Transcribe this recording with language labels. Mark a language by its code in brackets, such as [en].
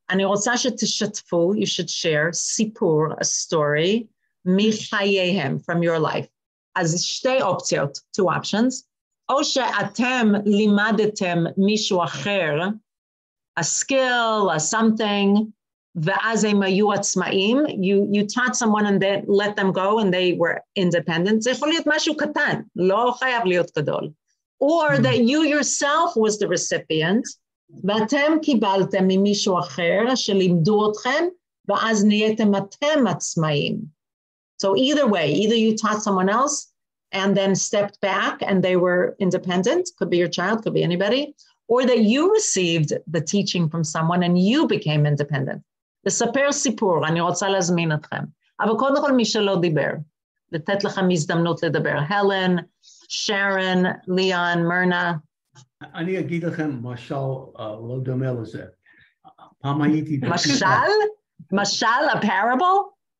[he] אני רוצה שתשתפו, [en] you should share, [he] סיפור, [en] a story, [he] מחייהם, [en] from your life. [he] אז שתי אופציות, [en] two options. [he] או שאתם לימדתם מישהו אחר, [en] a skill, a something, [he] ואז הם היו עצמאים, [en] you taught someone and then let them go and they were independent, [he] זה יכול להיות משהו קטן, לא חייב להיות גדול. [en] Or that you yourself was the recipient, [he] ואתם קיבלתם ממישהו אחר שלימדו אתכם, va'az niyetem atem atzmaim. [en] So either way, either you taught someone else and then stepped back and they were independent, could be your child, could be anybody, or that you received the teaching from someone and you became independent. [he] לספר סיפור, אני רוצה להזמין אתכם. אבל קודם כל מי שלא דיבר, לתת לכם הזדמנות לדבר. הלן, שרן, ליאן, מרנה. אני אגיד לכם משל לא דומה לזה. פעם הייתי... משל? משל, [en] a parable?